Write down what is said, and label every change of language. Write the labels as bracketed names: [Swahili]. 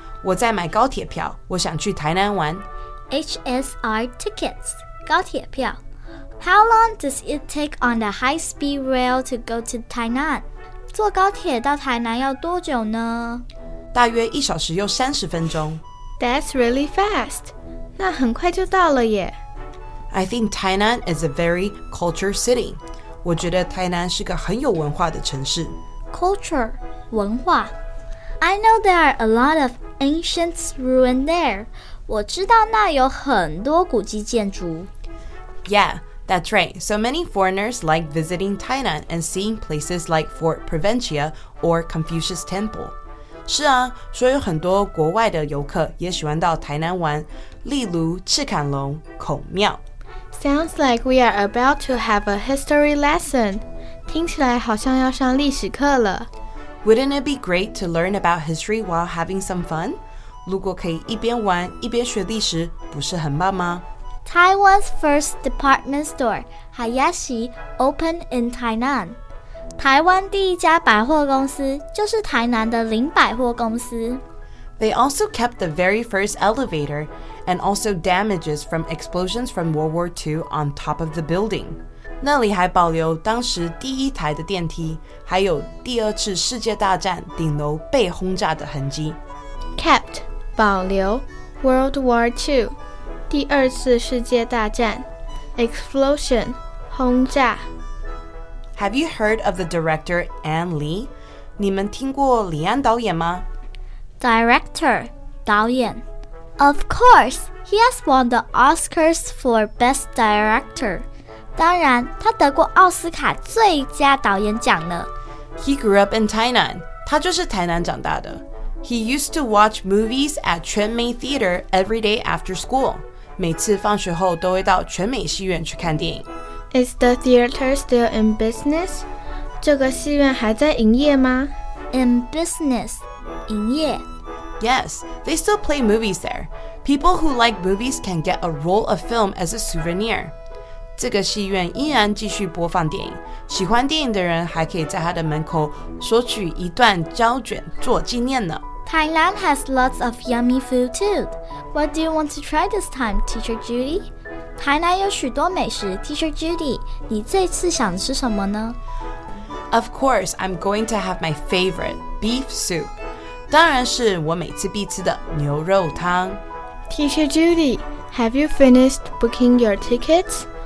[Chinese] 我在买高铁票，我想去台南玩。 [English] HSR tickets, [Chinese] 高铁票。 [English] How long does it take on the high-speed rail to go to Tainan? [Chinese] 坐高铁到台南要多久呢？大约一小时又三十分钟。 [English] That's really fast. [Chinese] 那很快就到了耶。 [English] I think Tainan is a very culture city. [Chinese] 我觉得台南是个很有文化的城市。 [English] Culture, [Chinese] 文化。 [English] I know there are a lot of ancient ruins there. [Chinese] 我知道那有很多古迹建筑。 [English] Yeah. That's right, so many foreigners like visiting Tainan and seeing places like Fort Provincia or Confucius Temple. [Chinese] 是啊，所以有很多国外的游客也喜欢到台南玩，例如赤坎龙孔庙。 [English] Sounds like we are about to have a history lesson. [Chinese] 听起来好像要上历史课了。 [English] Wouldn't it be great to learn about history while having some fun? [Chinese] 如果可以一边玩一边学历史，不是很棒吗？ [English] Taiwan's first department store, Hayashi, opened in Tainan. [Chinese] 台湾第一家百货公司就是台南的林百货公司。 [English] They also kept the very first elevator and also damages from explosions from World War II on top of the building. [Chinese] 那里还保留当时第一台的电梯，还有第二次世界大战顶楼被轰炸的痕迹。 [English] Kept, [Chinese] 保留 [English] World War II. [Chinese] 第二次世界大战 [English] Explosion [Chinese] 轰炸 [English] Have you heard of the director Ann Lee? [Chinese] 你们听过李安导演吗 [English] Director [Chinese] 导演 [English] Of course, he has won the Oscars for Best Director [Chinese] 当然他得过奥斯卡最佳导演奖呢 [English] He grew up in Tainan [Chinese] 他就是台南长大的 [English] He used to watch movies at 全美 Theater every day after school [Chinese] 每次放学后都会到全美戏院去看电影。 [English] Is the theater still in business? [Chinese] 这个戏院还在营业吗 [English] ？In business, [Chinese] 营业。 [English] Yes, they still play movies there. People who like movies can get a roll of film as a souvenir. [Chinese] 这个戏院依然继续播放电影，喜欢电影的人还可以在它的门口索取一段胶卷做纪念呢。 [English] Tainan has lots of yummy food too. What do you want to try this time, Teacher Judy? [Chinese] 台南有许多美食 Teacher Judy, 你这次想吃什么呢 [English] Of course, I'm going to have my favorite, beef soup. [Chinese] 当然是我每次必吃的牛肉汤 [English] Teacher Judy, have you finished booking your tickets?